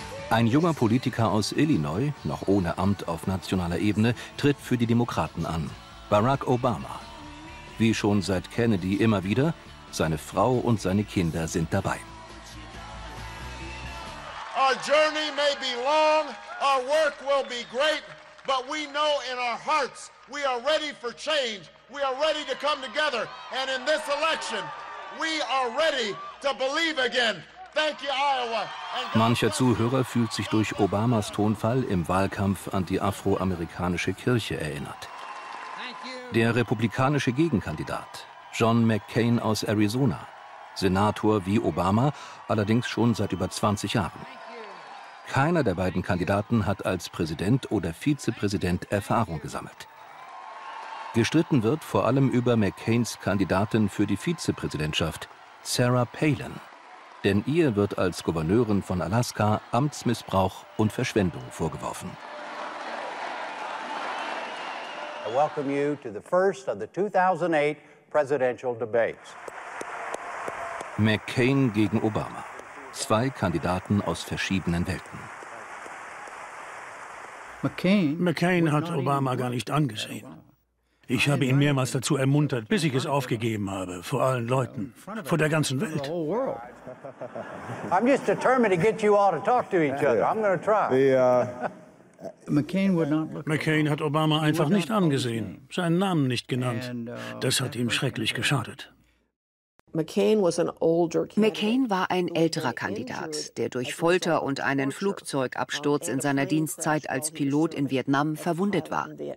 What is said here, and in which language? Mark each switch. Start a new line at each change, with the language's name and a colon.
German: Ein junger Politiker aus Illinois, noch ohne Amt auf nationaler Ebene, tritt für die Demokraten an, Barack Obama. Wie schon seit Kennedy immer wieder, seine Frau und seine Kinder sind dabei.
English: Our journey may be long, our work will be great, but we know in our hearts we are ready for change, we are ready to come together, and in this election we are ready to believe again. Thank you, Iowa.
German: Mancher Zuhörer fühlt sich durch Obamas Tonfall im Wahlkampf an die afroamerikanische Kirche erinnert. Der republikanische Gegenkandidat, John McCain aus Arizona, Senator wie Obama, allerdings schon seit über 20 Jahren. Keiner der beiden Kandidaten hat als Präsident oder Vizepräsident Erfahrung gesammelt. Gestritten wird vor allem über McCains Kandidatin für die Vizepräsidentschaft, Sarah Palin. Denn ihr wird als Gouverneurin von Alaska Amtsmissbrauch und Verschwendung vorgeworfen.
English: I welcome you to the first of the 2008 presidential debates.
German: McCain gegen Obama. Zwei Kandidaten aus verschiedenen Welten. McCain hat Obama gar nicht angesehen. Ich habe ihn mehrmals dazu ermuntert, bis ich es aufgegeben habe, vor allen Leuten, vor der ganzen Welt.
English: I'm just determined to get you all to talk to each other. I'm going to try.
German: McCain hat Obama einfach nicht angesehen, seinen Namen nicht genannt. Das hat ihm schrecklich geschadet. McCain war ein älterer Kandidat, der durch Folter und einen Flugzeugabsturz in seiner Dienstzeit als Pilot in Vietnam verwundet war.